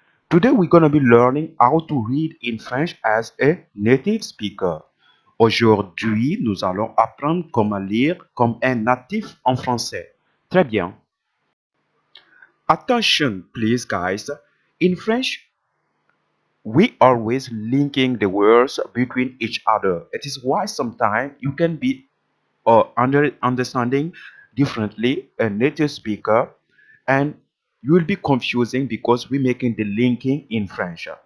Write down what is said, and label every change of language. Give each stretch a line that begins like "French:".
English: Today we're going to be learning how to read in French as a native speaker.
French: Aujourd'hui, nous allons apprendre comment lire comme un natif en français. Très bien. Attention,
English: please guys. In French, we always linking the words between each other. It is why sometimes you can be understanding differently a native speaker. And you will be confusing because we're making the linking in French.